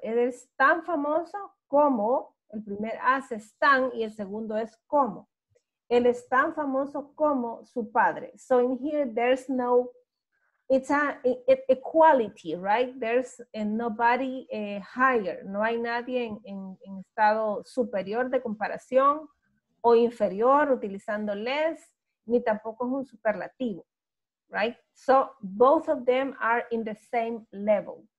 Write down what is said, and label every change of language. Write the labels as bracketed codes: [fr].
[es] Él es tan famoso como, el primer us es tan y el segundo es como. Él es tan famoso como su padre. [en] So in here, there's no, it's an equality, right? There's nobody higher. [es] No hay nadie en estado superior de comparación o inferior utilizando less, ni tampoco es un superlativo, right? [en] So both of them are in the same level.